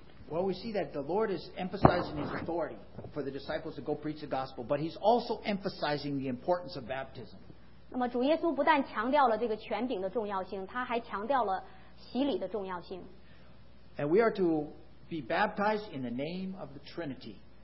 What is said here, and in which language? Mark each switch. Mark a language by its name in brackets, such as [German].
[English] Well, we see that the Lord is emphasizing His authority for the disciples to go preach the gospel, but He's also emphasizing the importance of baptism. [Chinese] 那么主耶稣不但强调了这个权柄的重要性，他还强调了洗礼的重要性。 [English] And we are to be baptized in the name of the Trinity.